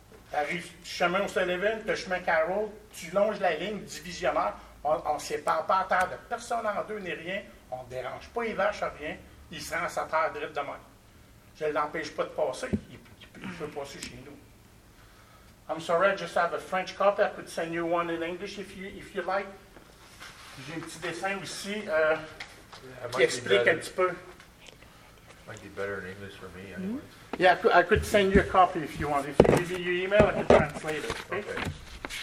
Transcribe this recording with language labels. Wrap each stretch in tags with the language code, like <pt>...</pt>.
<fr>Tu arrives du chemin O'Sullivan, le chemin Carroll, tu longes la ligne divisionnaire, on ne sépare pas à terre de personne en deux ni rien, on ne dérange pas les vaches à rien, il se rend à sa terre drite de même. Je ne l'empêche pas de passer, il peut passer chez nous.</fr> <en>I'm sorry, I just have a French copy, I could send you one in English if you like.</en> <fr>J'ai un petit dessin aussi qui explique un petit peu.</fr> <en>Might be better in English for me, anyway. Yeah, I could send you a copy if you want. If you give me your email, I can translate it.</en>